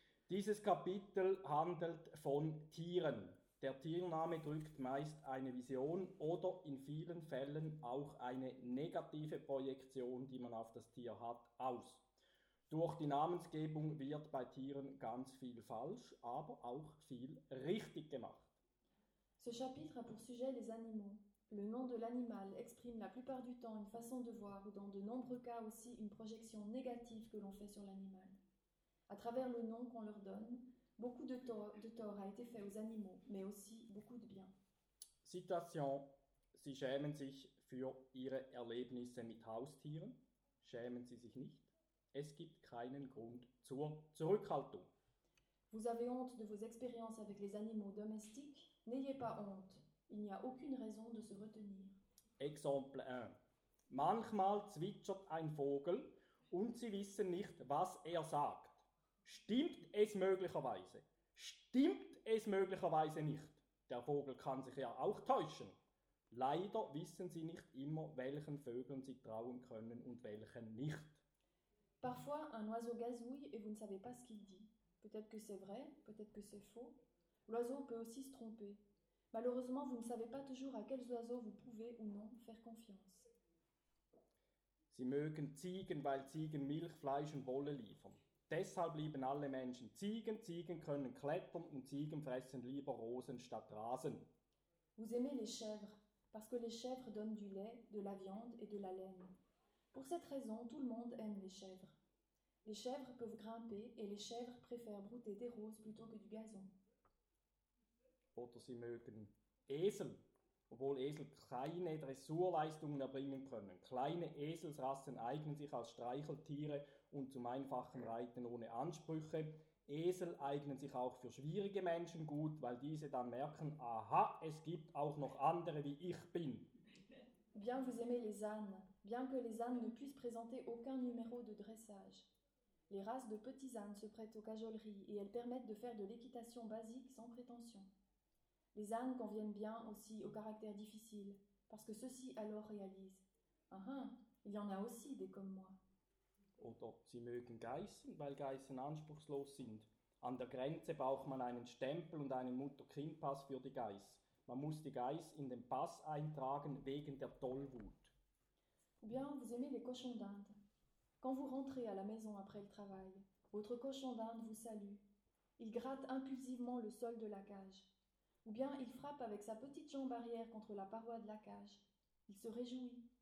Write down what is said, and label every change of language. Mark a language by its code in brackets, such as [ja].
[de] Dieses Kapitel handelt von Tieren. Der Tiername drückt meist eine Vision oder in vielen Fällen auch eine negative Projektion, die man auf das Tier hat, aus. Durch die Namensgebung wird bei Tieren ganz viel falsch, aber auch viel richtig gemacht. [fr] Ce chapitre a pour sujet les animaux. Le nom de l'animal exprime la plupart du temps une façon de voir ou dans de nombreux cas aussi une projection négative que l'on fait sur l'animal. À travers le nom qu'on leur donne, beaucoup de tort a été fait aux animaux, mais aussi beaucoup de bien. Citation. [de] Sie schämen sich für ihre Erlebnisse mit Haustieren. Schämen Sie sich nicht. Es gibt keinen Grund zur Zurückhaltung. [fr] Vous avez honte de vos expériences avec les animaux domestiques. N'ayez pas honte. Il n'y a aucune raison de se retenir. Exemple 1. [de] Manchmal zwitschert ein Vogel und Sie wissen nicht, was sagt. Stimmt es möglicherweise nicht? Der Vogel kann sich ja auch täuschen. Leider wissen sie nicht immer, welchen Vögeln sie trauen können und welchen nicht. [fr] Parfois un oiseau gazouille et vous ne savez pas ce qu'il dit. Peut-être que c'est vrai, peut-être que c'est faux. L'oiseau peut aussi se tromper. Malheureusement, vous ne savez pas toujours à quels oiseaux vous pouvez ou non faire confiance. [de] Sie mögen Ziegen, weil Ziegen Milch, Fleisch und Wolle liefern. Deshalb lieben alle Menschen Ziegen. Ziegen können klettern und Ziegen fressen lieber Rosen statt Rasen. [fr] Vous aimez les chèvres parce que les chèvres donnent du lait, de la viande et de la laine. Pour cette raison, tout le monde aime les chèvres. Les chèvres peuvent grimper et les chèvres préfèrent brouter des roses plutôt que du gazon. [de] Oder sie mögen Esel, obwohl Esel keine Dressurleistungen erbringen können. Kleine Eselsrassen eignen sich als Streicheltiere und zum einfachen Reiten ohne Ansprüche. Esel eignen sich auch für schwierige Menschen gut, weil diese dann merken, aha, es gibt auch noch andere wie ich bin. [fr] Bien vous aimez les ânes, bien que les ânes ne puissent présenter aucun numéro de dressage. Les races de petits ânes se prêtent aux cajoleries et elles permettent de faire de l'équitation basique sans prétention. Les ânes conviennent bien aussi au caractère difficile, parce que ceux-ci alors réalisent. Il y en a aussi des comme moi. [de] Oder sie mögen Geißen, weil Geißen anspruchslos sind. An der Grenze braucht man einen Stempel und einen Mutter-Kind-Pass für die Geiß. Man muss die Geiß in den Pass eintragen wegen der Tollwut. [fr] Ou bien vous aimez les cochons d'Inde. Quand vous rentrez à la maison après le travail, votre cochon d'Inde vous salue. Il gratte impulsivement le sol de la cage. Ou bien il frappe avec sa petite jambe arrière contre la paroi de la cage. Il se réjouit.